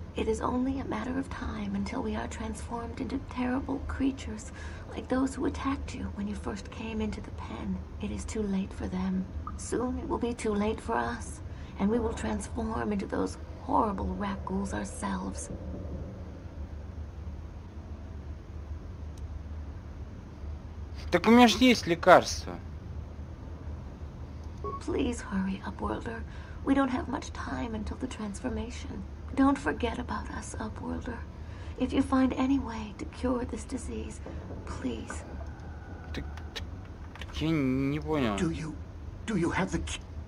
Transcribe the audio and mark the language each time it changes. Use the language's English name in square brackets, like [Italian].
[English] It is only a matter of time until we are transformed into terrible creatures, like those who attacked you when you first came into the pen. It is too late for them. Soon it will be too late for us, and we will transform into those horrible Rakghouls ourselves. [Russian] Так у меня же есть лекарство. [English] Please hurry, Upworlder. We don't have much time until the transformation. Don't forget about us, Upworlder. If you find any way to cure this disease, please. [Russian] Так я не понял. [English] Do you have the cure?